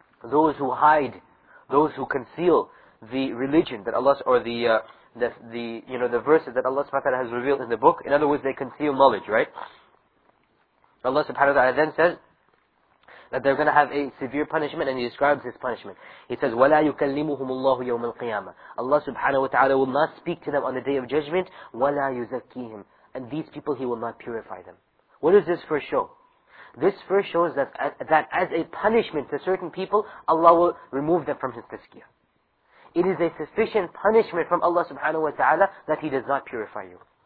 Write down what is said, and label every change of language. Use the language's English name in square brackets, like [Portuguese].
[English] Those who hide, those who conceal the religion that Allah, or the verses that Allah subhanahu wa ta'ala has revealed in the book, in other words, they conceal knowledge, right? Allah subhanahu wa ta'ala then says that they're going to have a severe punishment, and He describes this punishment. He says, [Arabic] وَلَا يُكَلِّمُهُمُ اللَّهُ يَوْمَ الْقِيَامَةِ. [English] Allah subhanahu wa ta'ala will not speak to them on the Day of Judgment. [Arabic] وَلَا يُزَكِّيهِمْ. [English] And these people, He will not purify them. What does this for show? This verse shows that as a punishment to certain people, Allah will remove them from His tazkiyah. It is a sufficient punishment from Allah subhanahu wa ta'ala that He does not purify you.